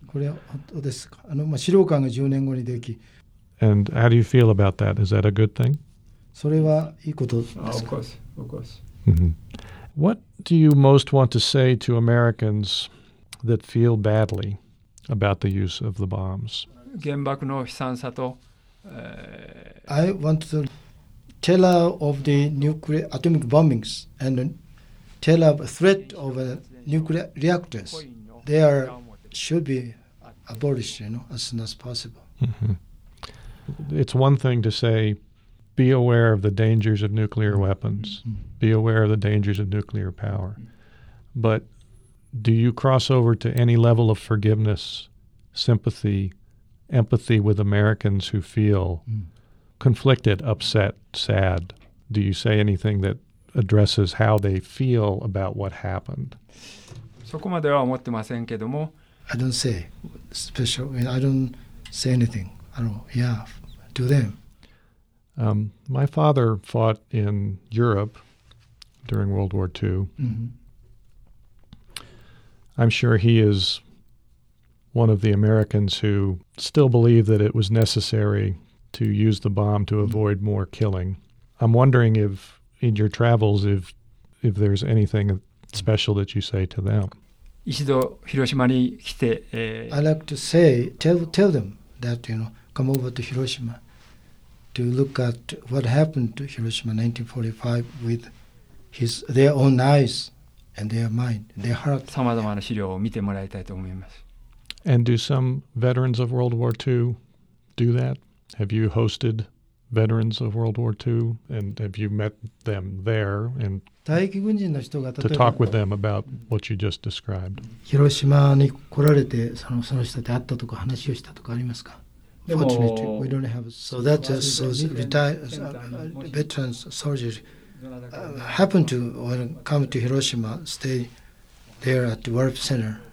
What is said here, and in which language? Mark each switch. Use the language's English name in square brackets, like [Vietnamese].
[Japanese] これは本当ですか。あの、資料館が10年後にでき。 [English] And how do you feel about that? Is that a good thing? [Japanese] それはいいことですか? [English] Of course. Mm-hmm. What do you most want to say to Americans that feel badly about the use of the bombs? I want to tell of the nuclear atomic bombings and tell of the threat of nuclear reactors. They are should be abolished, you know, as soon as possible. Mm-hmm. It's one thing to say, be aware of the dangers of nuclear weapons. Mm-hmm. Be aware of the dangers of nuclear power. Mm-hmm. But do you cross over to any level of forgiveness, sympathy, empathy with Americans who feel conflicted, upset, sad? Do you say anything that addresses how they feel about what happened? [Japanese] そこまでは思ってませんけども。 [English] I don't say special. I don't say anything. I don't, yeah, to them. My father fought in Europe during World War II. Mm-hmm. I'm sure he is one of the Americans who still believe that it was necessary to use the bomb to avoid more killing. I'm wondering if in your travels, if there's anything special that you say to them. I like to say, tell them that, you know, come over to Hiroshima to look at what happened to Hiroshima 1945 with their own eyes and their mind, their heart. [Japanese] 様々な資料を見てもらいたいと思います。 [English] And do some veterans of World War II do that? Have you hosted veterans of World War II and have you met them there and to talk with them about what you just described? We don't have so that just so veterans soldiers happen to when come to Hiroshima, stay there at the Warp Center.